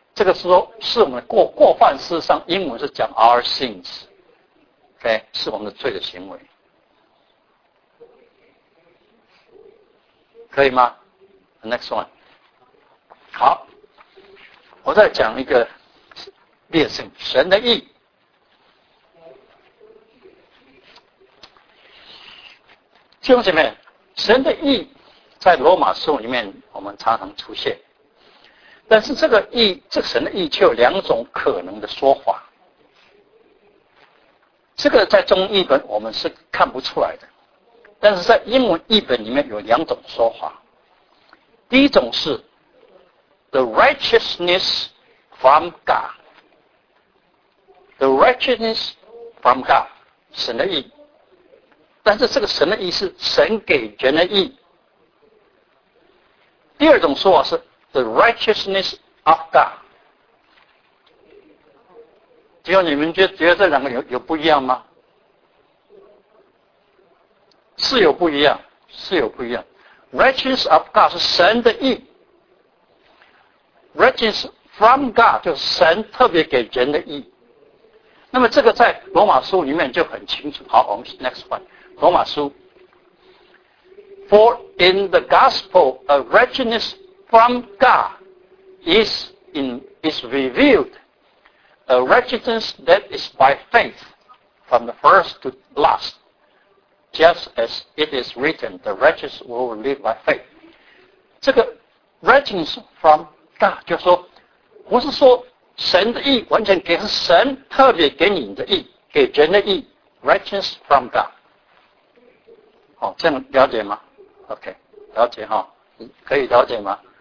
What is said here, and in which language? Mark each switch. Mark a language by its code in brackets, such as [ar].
[zh] 这个时候是我们的过犯，事实上英文是讲 [en] our sins， [zh] OK， 是我们的罪的行为，可以吗 ？ [en] Next one， [zh] 好，我再讲一个列圣神的义，弟兄姐妹，神的义在罗马书里面我们常常出现。但是这个义，这个神的义却有两种可能的说法。这个在中文译本我们是看不出来的，但是在英文译本里面有两种说法。第一种是 [en] the righteousness from God， the righteousness from God， [zh] 神的义。但是这个神的义是神给人的义。第二种说法是 [en] The righteousness of God， [zh] 只有你们觉得这两个有不一样吗？是有不一样，是有不一样。 [en] Righteousness of God [zh] 是神的义 ， [en] righteousness from God [zh] 就是神特别给人的义。那么这个在罗马书里面就很清楚。好，我们 [en] next one， [zh] 罗马书 [en] ，For in the gospel a righteousness。 From God is revealed a righteousness that is by faith from the first to last, just as it is written, the righteous will live by faith. [zh] 这个 [en] righteousness from God [zh] 就是说，不是说神的义完全给，是神特别给你的义，给人的义 righteousness from God. 好，这样了解吗 ？OK， 了解哈，可以了解吗？